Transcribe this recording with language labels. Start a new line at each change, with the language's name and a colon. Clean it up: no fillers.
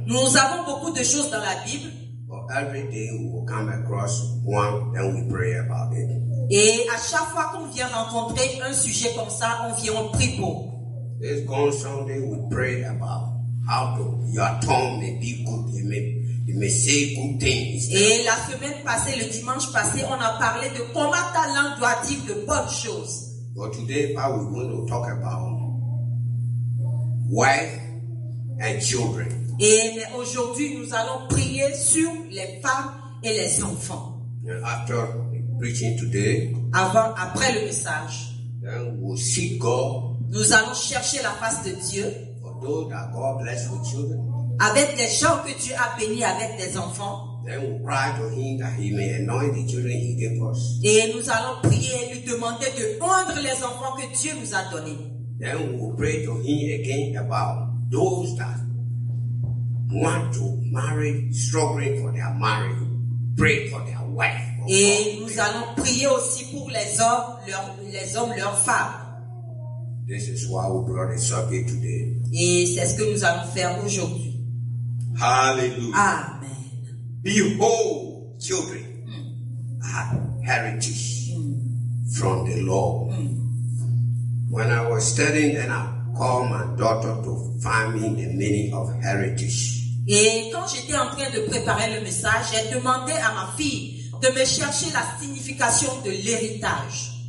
French: Nous avons beaucoup de choses dans la Bible.
English: But every day we will come across one, then we pray about it.
French: Et à chaque fois qu'on vient rencontrer un sujet comme ça, on vient, on prie pour.
English: This coming Sunday, we pray about how to, your tongue may be good, it may say good things.
French: Et la semaine passée, le dimanche passé, on a parlé de comment ta langue doit dire de bonnes choses.
English: But today, Pastor, we're going to talk about wife and children.
French: Et aujourd'hui, nous allons prier sur les femmes et les enfants.
English: And after preaching today.
French: Avant, après le message.
English: Then we'll see God.
French: Nous allons chercher la face de Dieu.
English: For those that God bless with children.
French: Avec les gens que Dieu a bénis avec des enfants.
English: Then we'll cry to him that he may anoint the children he gave us.
French: Et nous allons prier et lui demander de prendre les enfants que Dieu nous a donnés.
English: Then we'll pray to him again about those that want to marry, struggling for their marriage. Pray for their wife.
French: Et nous allons prier aussi pour les hommes, leurs femmes.
English: This is why we brought the subject today.
French: Et c'est ce que nous allons faire aujourd'hui. Hallelujah. Amen.
English: Behold, children, a heritage from the Lord. When I was studying, then I called my daughter to find me the meaning of heritage.
French: Et quand j'étais en train de préparer le message, j'ai demandé à ma fille de me chercher la signification de l'héritage.